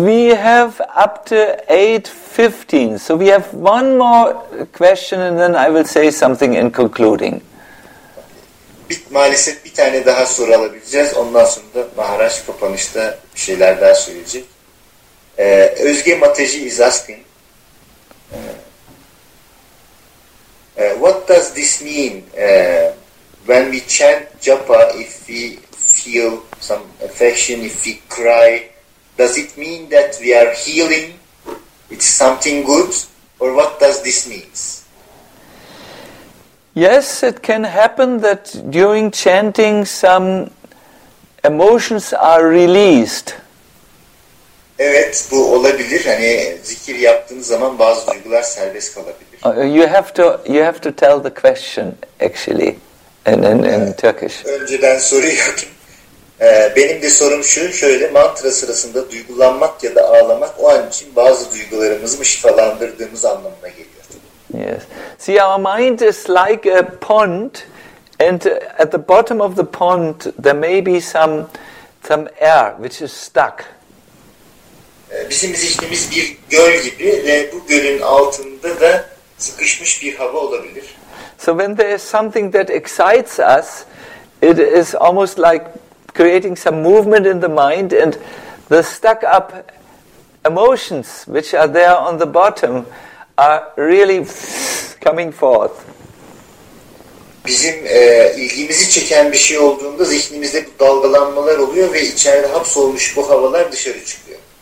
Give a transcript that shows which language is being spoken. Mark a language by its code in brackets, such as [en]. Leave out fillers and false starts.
[en] We have up to 8:15, so we have one more question, and then I will say something in concluding. [tr] Maalesef bir tane daha soru alabileceğiz. Ondan sonra da Maharaj kapanışta bir şeyler daha söyleyecek. [en] Özge Mateji is asking, what does this mean when we chant japa, if we feel some affection, if we cry, does it mean that we are healing, it's something good, or what does this mean? Yes, it can happen that during chanting some emotions are released. [tr] Evet, bu olabilir. Hani zikir yaptığın zaman bazı duygular serbest kalabilir. [en] You have to tell the question actually in Turkish. [tr] Önceden soruyordum. Benim de sorum şu, şöyle: mantra sırasında duygulanmak ya da ağlamak o an için bazı duygularımızı şifalandırdığımız anlamına geliyor. [en] Yes. See, our mind is like a pond, and at the bottom of the pond there may be some air which is stuck. [tr] bizim zihnimiz bir göl gibi ve bu gölün altında da sıkışmış bir hava olabilir. [en] So when there is something that excites us, it is almost like creating some movement in the mind, and the stuck up emotions which are there on the bottom are really coming forth. [tr] Bizim ilgimizi çeken bir şey olduğunda zihnimizde bu dalgalanmalar oluyor ve içeride hapsolmuş bu havalar dışarı çıkıyor.